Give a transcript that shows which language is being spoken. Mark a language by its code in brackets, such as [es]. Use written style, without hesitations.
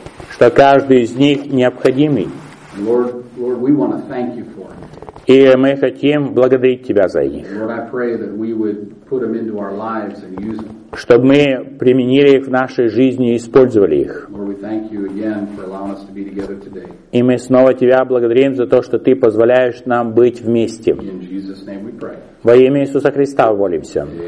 [ru] Что каждый из них необходимый. [en] Lord, we want to thank you for them. [ru] И мы хотим благодарить Тебя за них. [en] Lord, I pray that we would put them into our lives and use them. [ru] Чтобы мы применили их в нашей жизни и использовали их. [en] Lord, we thank you again for allowing us to be together today. [ru] И мы снова Тебя благодарим за то, что Ты позволяешь нам быть вместе. [en] In Jesus' name we pray. [ru] Во имя Иисуса Христа молимся.